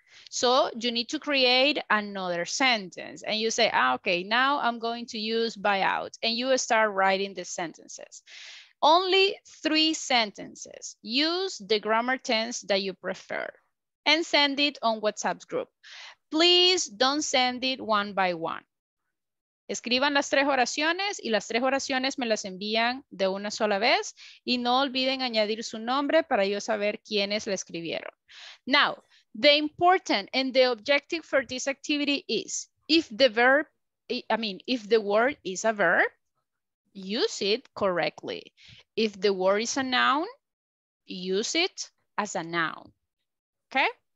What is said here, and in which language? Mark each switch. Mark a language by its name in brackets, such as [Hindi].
[English] So you need to create another sentence and you say, okay, now I'm going to use buyout, and you start writing the sentences. Only 3 sentences. Use the grammar tense that you prefer and send it on WhatsApp group. Please don't send it 1 by 1. [Spanish] Escriban las tres oraciones y las tres oraciones me las envían de una sola vez y no olviden añadir su nombre para yo saber quiénes la escribieron. [English] Now, the important and the objective for this activity is if the word is a verb, use it correctly. If the word is a noun, use it as a noun. Okay?